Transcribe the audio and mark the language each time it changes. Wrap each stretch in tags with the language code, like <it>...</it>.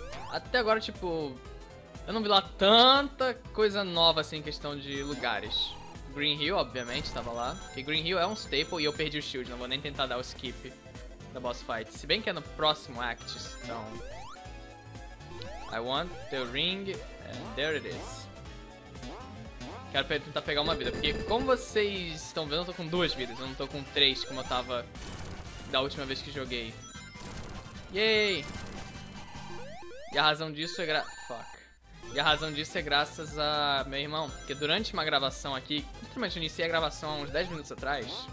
<pt>até agora, tipo... eu não vi lá tanta coisa nova assim em questão de lugares. Green Hill, obviamente, estava lá. Porque Green Hill é um staple e eu perdi o shield. Não vou nem tentar dar o skip da boss fight. Se bem que é no próximo act, então...</pt> <en>I want the ring and there it is.</en> <pt>Quero tentar pegar uma vida, porque como vocês estão vendo, eu tô com duas vidas, eu não tô com três como eu tava da última vez que joguei. Yay! E a razão disso é E a razão disso é graças a meu irmão, porque durante uma gravação aqui, literalmente eu iniciei a gravação há uns 10 minutos atrás,</pt>